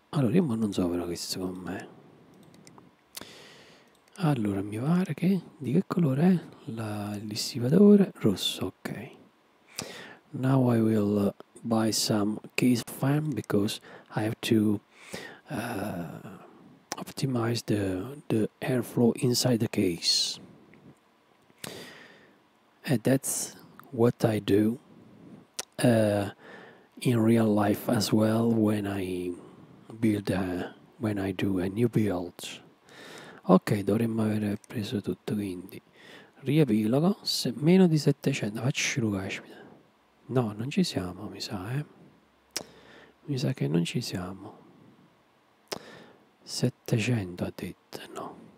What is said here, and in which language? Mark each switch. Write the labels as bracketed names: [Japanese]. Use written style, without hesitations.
[Italian] Allora, io non so però che sto con me. Allora, mi pare che, di che colore è il dissipatore? Rosso, ok. [English] Now I will buy some case fan because I have to optimize the airflow inside the case. And that's what I do in real life as well when I do a new build. [Italian] Ok, dovremmo aver preso tutto, quindi riepilogo. Se meno di 700, facci caspita. No, non ci siamo, mi sa, eh. Mi sa che non ci siamo. 700 ha detto, no.